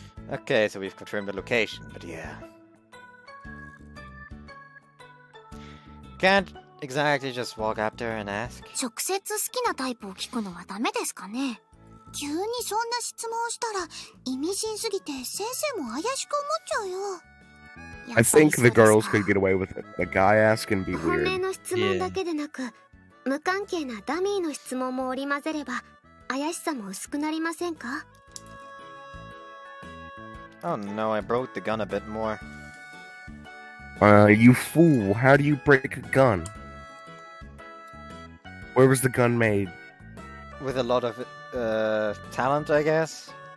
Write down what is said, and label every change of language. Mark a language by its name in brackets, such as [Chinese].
[English] Okay, so we've confirmed the location, but yeah. Can't exactly just walk up to her and ask? [Japanese] 直接好きなタイプを聞くのはダメですかね? 急にそんな質問をしたら意味深すぎて先生も怪しく思っちゃうよ。 [English] I think the girls could get away with it. The guy asking be weird. [Japanese] 本命の質問だけでなく、無関係なダミーの質問も織り交ぜれば怪しさも薄くなりませんか? [English] Oh no, I broke the gun a bit more. You fool. How do you break a gun? Where was the gun made? With a lot of... talent, I guess?